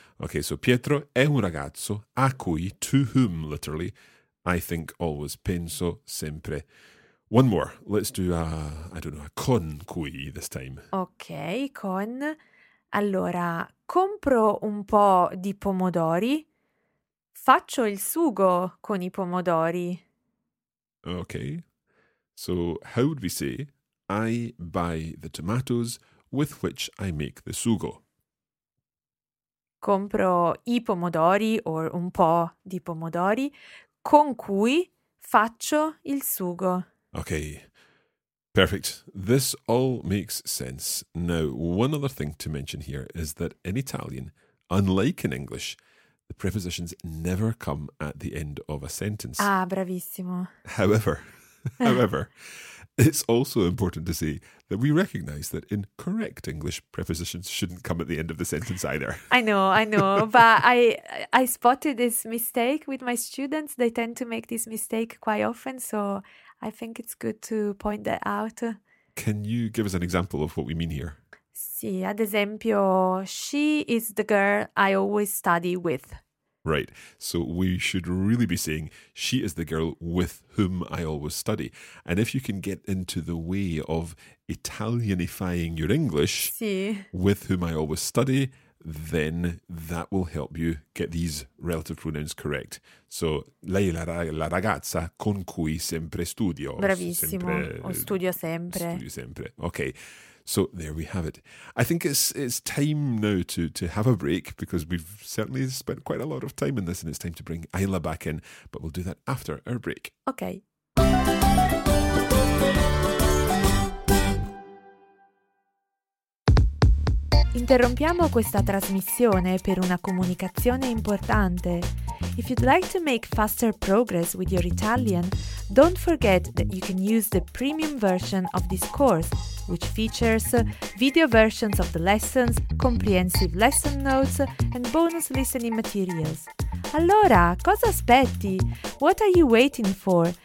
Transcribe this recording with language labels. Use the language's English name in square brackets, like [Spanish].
[English] Okay, so [Italian] Pietro è un ragazzo a cui, [English] to whom, literally, I think always, [Italian] penso sempre. [English] One more. Let's do a con cui this time. Okay, con. [Italian] Allora, compro un po' di pomodori, faccio il sugo con i pomodori. [English] Okay. So, how would we say, I buy the tomatoes with which I make the sugo? [Italian] Compro i pomodori, or un po' di pomodori, con cui faccio il sugo. [English] Okay. Perfect. This all makes sense. Now, one other thing to mention here is that in Italian, unlike in English, the prepositions never come at the end of a sentence. [Italian] Ah, bravissimo. [English] However, it's also important to say that we recognise that in correct English, prepositions shouldn't come at the end of the sentence either. I know. But I spotted this mistake with my students. They tend to make this mistake quite often. So I think it's good to point that out. Can you give us an example of what we mean here? [Italian] Sì, ad esempio, [English] she is the girl I always study with. Right. So we should really be saying, she is the girl with whom I always study. And if you can get into the way of Italianifying your English, [Italian] sì, [English] with whom I always study, then that will help you get these relative pronouns correct. [Italian] So, lei la ragazza con cui sempre studio. Bravissimo. Studio sempre. [English] Okay. So there we have it. I think it's time now to have a break, because we've certainly spent quite a lot of time in this, and it's time to bring Ayla back in, but we'll do that after our break. Okay. [Italian] Interrompiamo questa trasmissione per una comunicazione importante. [English] If you'd like to make faster progress with your Italian, don't forget that you can use the premium version of this course, which features video versions of the lessons, comprehensive lesson notes, and bonus listening materials. [Italian] Allora, cosa aspetti? [English] What are you waiting for?